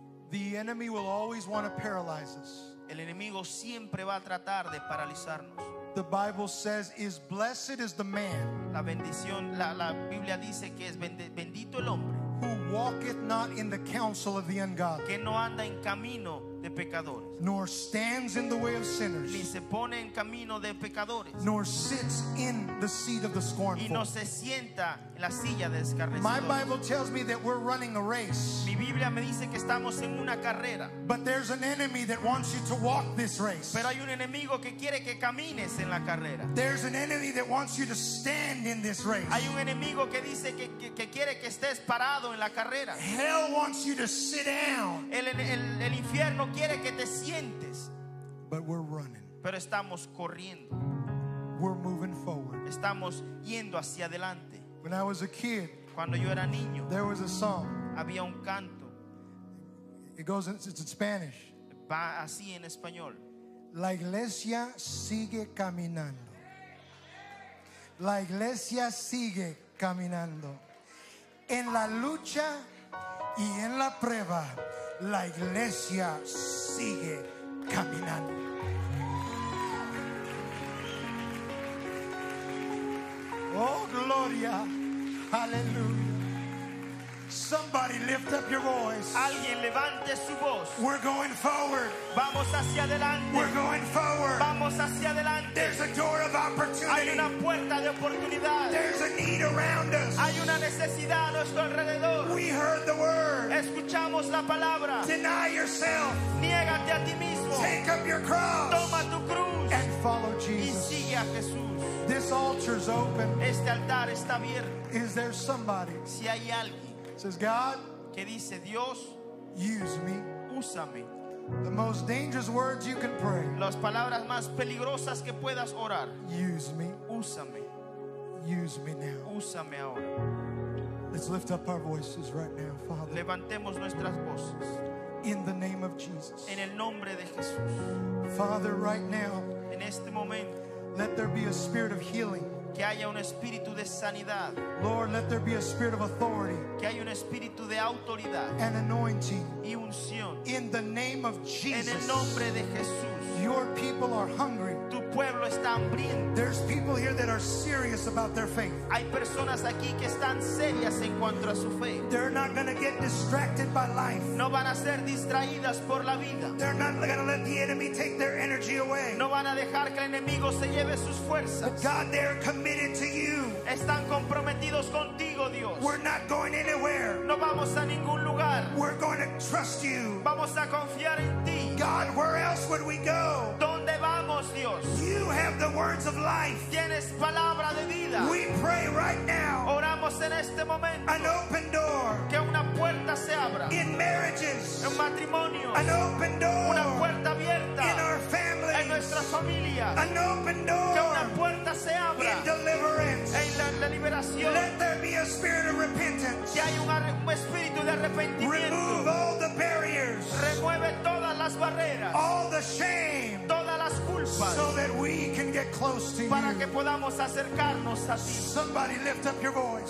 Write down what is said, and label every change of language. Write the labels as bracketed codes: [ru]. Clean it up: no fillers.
[en] The enemy will always want to paralyze us. [es] El enemigo siempre va a tratar de paralizarnos. [en] The Bible says, "Is blessed is the man." [es] La bendición, la Biblia dice que es bendito el hombre. [en] Who walketh not in the counsel of the ungodly, [es] que no anda en camino de pecadores, [en] nor stands in the way of sinners, [es] ni se pone en camino de pecadores, [en] nor sits in the seat of the scornful, [es] y no se sienta en la silla de escarnecedores. [en] My Bible tells me that we're running a race. [es] Mi Biblia me dice que estamos en una carrera. [en] But there's an enemy that wants you to walk this race. [es] Pero hay un enemigo que quiere que camines en la carrera. [en] There's an enemy that wants you to stand in this race. [es] Hay un enemigo que dice que quiere que estés parado en la carrera. [en] Hell wants you to sit down. [es] El infierno quiere que te sientes. [en] But we're running. [es] Pero estamos corriendo. [en] We're moving forward. [es] Estamos yendo hacia adelante. [en] When I was a kid, [es] cuando yo era niño, [en] there was a song. [es] Había un canto. [en] It goes, it's in Spanish. [es] Va así en español. La iglesia sigue caminando. La iglesia sigue caminando. En la lucha y en la prueba, la iglesia sigue caminando. Oh, gloria. Aleluya. [en] Somebody lift up your voice. [es] Alguien levante su voz. [en] We're going forward. [es] Vamos hacia adelante. [en] We're going forward. [es] Vamos hacia adelante. [en] There's a door of opportunity. [es] Hay una puerta de oportunidad. [en] There's a need around us. [es] Hay una necesidad a nuestro alrededor. [en] We heard the word. [es] Escuchamos la palabra. [en] Deny yourself. [es] Niégate a ti mismo. [en] Take up your cross. [es] Toma tu cruz. [en] And follow Jesus. [es] Y sigue a Jesús. [en] This altar's open. [es] Este altar está abierto. [en] Is there somebody? [es] Si hay alguien. [en] Says God, [es] que dice Dios, [en] use me, [es] úsame. [en] The most dangerous words you can pray. [es] Las palabras más peligrosas que puedas orar. [en] Use me, [es] úsame. [en] Use me now, [es] úsame ahora. [en] Let's lift up our voices right now, Father. [es] Levantemos nuestras voces. [en] In the name of Jesus. [es] En el nombre de Jesús. [en] Father, right now. [es] En este momento. [en] Let there be a spirit of healing. [es] Que haya un espíritu de sanidad. [en] Lord, let there be a spirit of authority. [es] Que haya un espíritu de autoridad. [en] And anointing. [es] Y unción. [en] In the name of Jesus. [es] En el nombre de Jesús. [en] Your people are hungry. [es] Tu pueblo está hambriento. [en] There's people here that are serious about their faith. [es] Hay personas aquí que están serias en cuanto a su fe. [en] They're not going to get distracted by life. [es] No van a ser distraídas por la vida. [en] They're not going to let the enemy take their energy away. [es] No van a dejar que el enemigo se lleve sus fuerzas. [en] But God, they're committed to you. [es] Están comprometidos contigo, Dios. [en] We're not going anywhere. [es] No vamos a ningún lugar. [en] We're going to trust you. [es] Vamos a confiar en ti. [en] God, where else would we go? [es] ¿Dónde vamos, Dios? [en] You have the words of life. [es] Tienes palabra de vida. [en] We pray right now. [es] Oramos en este momento. [en] An open door. [es] Que una puerta se abra. [en] In marriages. [es] En matrimonios. [en] An open door. [es] Una puerta abierta. [en] In our families. [es] En nuestras familias. [en] An open door. [es] Que una puerta se abra. [en] In deliverance. [es] En la liberación. [en] Let there be a spirit of repentance. [es] Que haya un espíritu de arrepentimiento. [en] Remove all the barriers. [es] Remueve todas las barreras. [en] All the shame. [es] Todas las culpas. [en] So that we can get close to you. [es] Para que podamos acercarnos a ti. [en] Somebody lift up your voice.